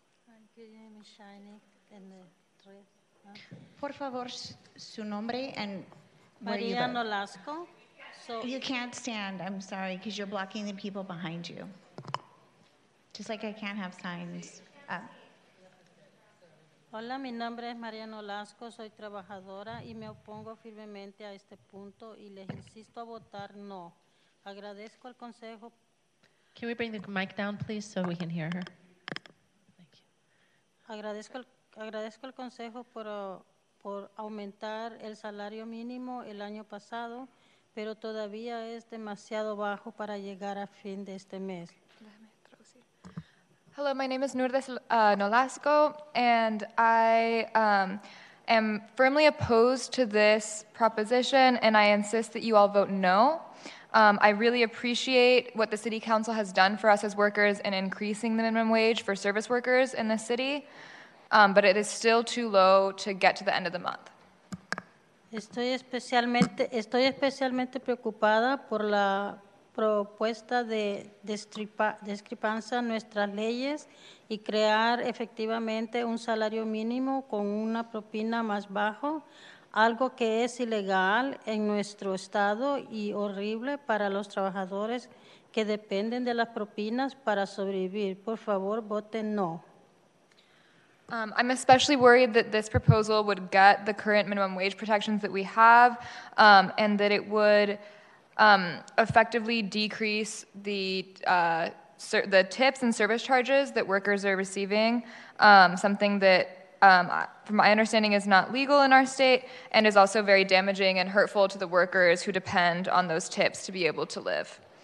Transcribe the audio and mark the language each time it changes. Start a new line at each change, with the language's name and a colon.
English: One,
Spanish: Por favor, su nombre
English: and where Maria you Nolasco. So you can't stand, I'm sorry, because you're blocking the people behind you. Just like I can't have signs up.
Spanish: Hola, mi nombre es Mariano Lasco, soy trabajadora y me opongo firmemente a este punto y les insisto a votar no. Agradezco al consejo.
English: Can we bring the mic down, please, so we can hear her? Thank you.
Spanish: Agradezco al consejo por aumentar el salario mínimo el año pasado, pero todavía es demasiado bajo para llegar a fin de este mes.
English: Hello, my name is Nurdes Nolasco, and I am firmly opposed to this proposition, and I insist that you all vote no. I really appreciate what the City Council has done for us as workers in increasing the minimum wage for service workers in this city, but it is still too low to get to the end of the month.
Spanish: Estoy especialmente preocupada por la propuesta de discrepancia nuestras leyes y crear efectivamente un salario mínimo con una propina más bajo, algo que es ilegal en nuestro estado y horrible para los trabajadores que dependen de las propinas para sobrevivir. Por favor, voten no.
English: I'm especially worried that this proposal would gut the current minimum wage protections that we have, and that it would effectively decrease the tips and service charges that workers are receiving, something that, from my understanding, is not legal in our state and is also very damaging and hurtful to the workers who depend on those tips to be able to live.